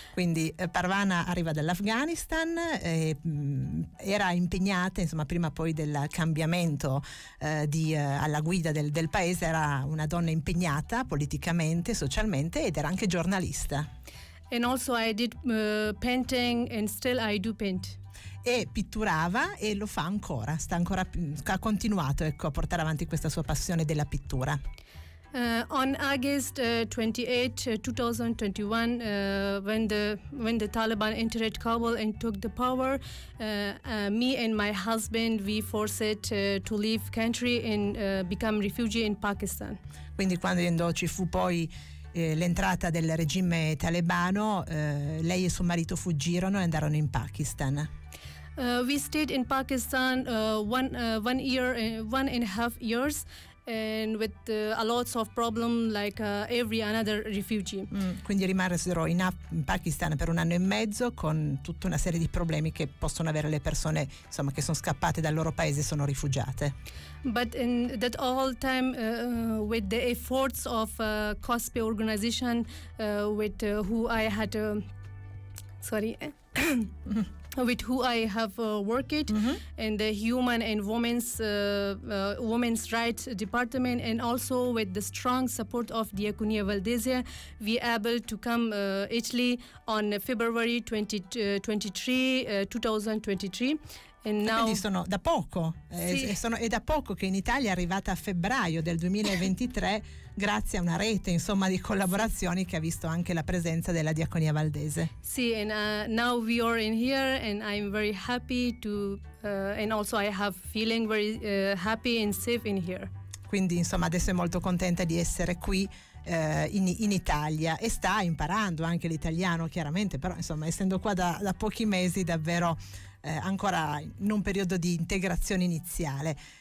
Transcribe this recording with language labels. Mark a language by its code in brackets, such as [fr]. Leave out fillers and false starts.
[it] Quindi Parwana arriva dall'Afghanistan, era impegnata, insomma, prima poi del cambiamento alla guida del paese, era una donna impegnata politicamente, socialmente, ed era anche giornalista. [en] And also I did painting and still I do paint. [it] E pitturava e lo fa ancora, sta ancora, ha continuato, ecco, a portare avanti questa sua passione della pittura. [en] On August 28, 2021, when the Taliban entered Kabul and took the power, me and my husband we forced to leave country and become refugee in Pakistan. [it] Quindi quando ci fu poi l'entrata del regime talebano, lei e suo marito fuggirono e andarono in Pakistan. [en] We stayed in Pakistan one and a half years. And with a lot of problems like every another refugee. [it] Quindi rimasero in Pakistan per un anno e mezzo con tutta una serie di problemi che possono avere le persone, insomma, che sono scappate dal loro paese e sono rifugiate. [en] But in that whole time with the efforts of COSPE organization with who I had with who I have worked, mm-hmm. and the human and women's women's rights department, and also with the strong support of Diakonia Valdezia, we able to come Italy on February 2023. And now, [it] sono da poco. Sì. È da poco che in Italia è arrivata a febbraio del 2023 grazie a una rete, insomma, di collaborazioni che ha visto anche la presenza della Diaconia Valdese. [en] Sì, and now we are in here and I'm very happy to and also I have feeling very happy and safe in here. [it] Quindi, insomma, adesso è molto contenta di essere qui in Italia e sta imparando anche l'italiano, chiaramente, però insomma, essendo qua da pochi mesi, davvero ancora in un periodo di integrazione iniziale.